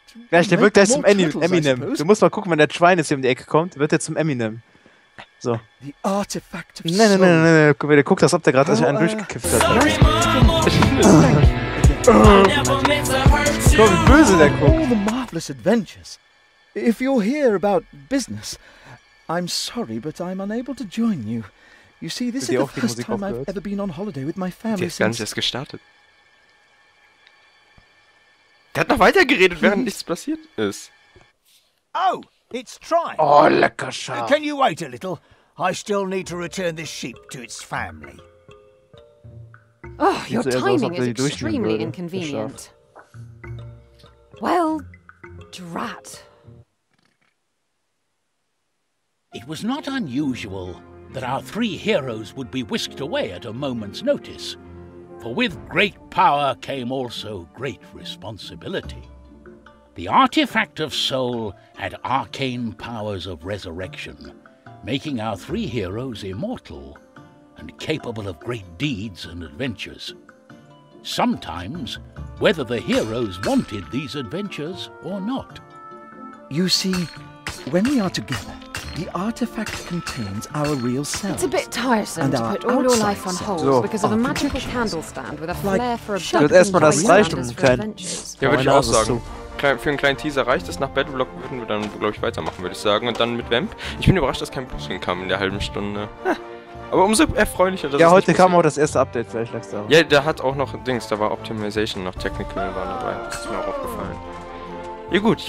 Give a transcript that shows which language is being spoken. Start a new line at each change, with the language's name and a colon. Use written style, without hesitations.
German: Gleich, der wird gleich zum Eminem. Du musst mal gucken, wenn der Schwein jetzt hier um die Ecke kommt, wird der zum Eminem. So.
English: The artifact of
German: nein, nein, nein, nein, nein. Guck mal, der guckt, als ob der gerade sich einen durchgekifft hat. Guck mal, wie böse der guckt.
English: All the marvelous adventures. If you're here about business, I'm sorry, but I'm unable to join you. You see, this is the first time I've ever been on holiday with my family
German: since... Die ist ganz erst gestartet. Der hat noch weiter geredet, während nichts passiert ist.
English: Oh, it's Tri.
German: Oh, lecker Schaf.
English: Can you wait a little? I still need to return this sheep to its family. Oh, your timing is extremely inconvenient. Well, drat. It was not unusual that our three heroes would be whisked away at a moment's notice. For with great power came also great responsibility. The artifact of soul had arcane powers of resurrection, making our three heroes immortal and capable of great deeds and adventures. Sometimes, whether the heroes wanted these adventures or not. You see, when we are together, the artifact contains our real selves. It's a bit tiresome to put all your life on hold because of a magical candle stand with a flair for a shut up.
German: Erstmal das reicht um kein. Ja, würde ich auch sagen. Für einen kleinen Teaser reicht es. Nach Battleblock würden wir dann, glaube ich, weitermachen, würde ich sagen. Und dann mit Vamp. Ich bin überrascht, dass kein Boosting kam in der halben Stunde. Aber umso erfreulicher, dass ja, heute kam auch das erste Update, vielleicht lag es da. Ja, der hat auch noch Dings. Da war Optimization noch. Technical war dabei. Das ist mir auch aufgefallen. Ja, gut.